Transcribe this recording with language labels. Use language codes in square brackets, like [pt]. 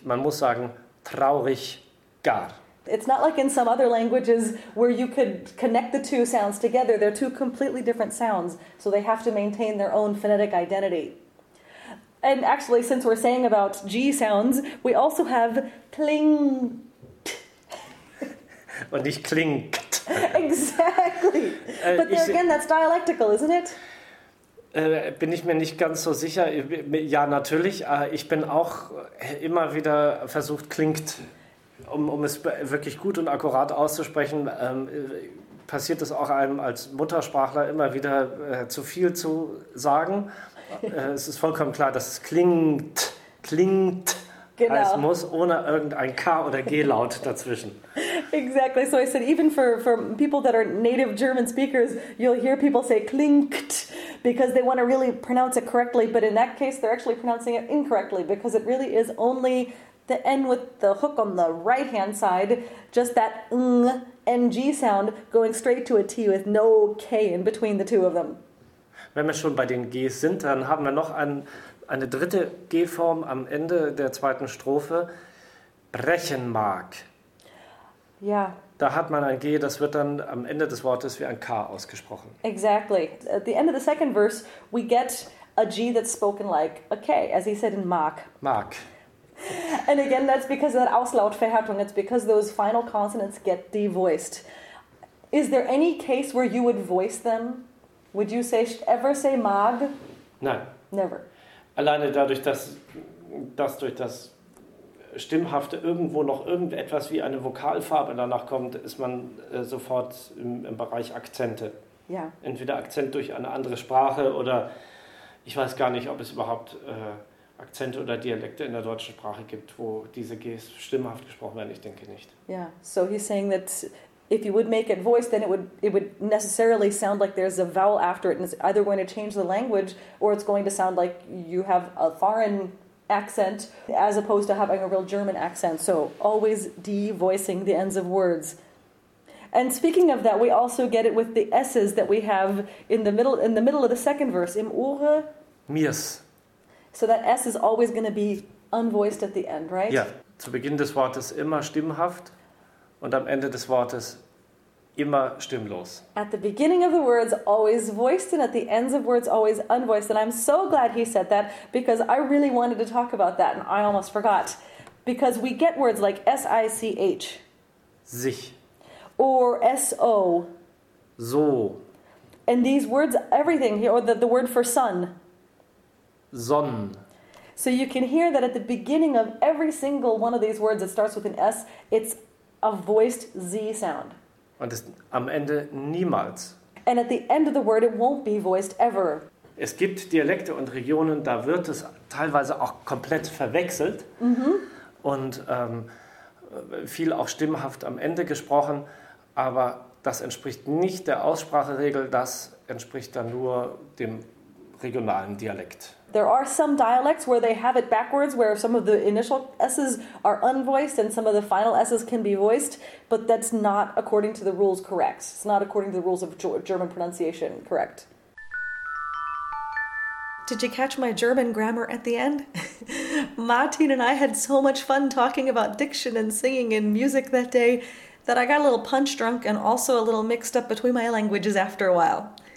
[de] Man muss sagen, traurig, gar. [en] It's not like in some other languages where you could connect the two sounds together. They're two completely different sounds, so they have to maintain their own phonetic identity. And actually, since we're saying about G sounds, we also have kling. [de] Und nicht klingt. [en] Exactly. But there again, that's dialectical, isn't it? [de] Bin ich mir nicht ganz so sicher. Ja, natürlich. Ich bin auch immer wieder versucht, klingt, um es wirklich gut und akkurat auszusprechen, passiert es auch einem als Muttersprachler immer wieder zu viel zu sagen. Es ist vollkommen klar, dass es klingt. Genau. Heißt, muss ohne irgendein K oder G-Laut dazwischen. [en] Exactly. So I said, even for people that are native German speakers, you'll hear people say klingt because they want to really pronounce it correctly. But in that case, they're actually pronouncing it incorrectly because it really is only the N with the hook on the right-hand side, just that NG sound going straight to a T with no K in between the two of them. [de] Wenn wir schon bei den Gs sind, dann haben wir noch eine dritte G-Form am Ende der zweiten Strophe, brechen mag. Ja. Da hat man ein G, das wird dann am Ende des Wortes wie ein K ausgesprochen. [en] Exactly. At the end of the second verse, we get a G that's spoken like a K, as he said in mag. [de] Mag. [en] And again, that's because of that Auslautverhärtung, it's because those final consonants get devoiced. Is there any case where you would voice them? Would you say, ever say mag? [de] Nein. [en] Never. [de] Alleine dadurch, dass durch das Stimmhafte irgendwo noch irgendetwas wie eine Vokalfarbe danach kommt, ist man sofort im Bereich Akzente. Ja. Entweder Akzent durch eine andere Sprache oder ich weiß gar nicht, ob es überhaupt Akzente oder Dialekte in der deutschen Sprache gibt, wo diese Gs stimmhaft gesprochen werden. Ich denke nicht. [en] Ja, so he's saying that if you would make it voiced, then it would necessarily sound like there's a vowel after it, and it's either going to change the language or it's going to sound like you have a foreign accent as opposed to having a real German accent. So always devoicing the ends of words. And speaking of that, we also get it with the S's that we have in the middle of the second verse. [de] Im Ohre mirs. [en] So that S is always going to be unvoiced at the end, right? Yeah. [de] Zu Beginn des Wortes immer stimmhaft und am Ende des Wortes immer stimmlos. [en] At the beginning of the words, always voiced, and at the ends of words, always unvoiced. And I'm so glad he said that, because I really wanted to talk about that, and I almost forgot. Because we get words like S-I-C-H. [de] Sich. [en] Or S-O. [de] So. [en] And these words, everything, or the word for sun. [de] Sonn. [en] So you can hear that at the beginning of every single one of these words that starts with an S, it's a voiced Z sound. [de] Und es am Ende niemals. [en] And at the end of the word, it won't be voiced ever. [de] Es gibt Dialekte und Regionen, da wird es teilweise auch komplett verwechselt. Mm-hmm. Und viel auch stimmhaft am Ende gesprochen. Aber das entspricht nicht der Ausspracheregel, das entspricht dann nur dem regionalen Dialekt. [en] There are some dialects where they have it backwards, where some of the initial S's are unvoiced and some of the final S's can be voiced, but that's not according to the rules correct. It's not according to the rules of German pronunciation correct. Did you catch my German grammar at the end? Martin and I had so much fun talking about diction and singing and music that day that I got a little punch drunk and also a little mixed up between my languages after a while.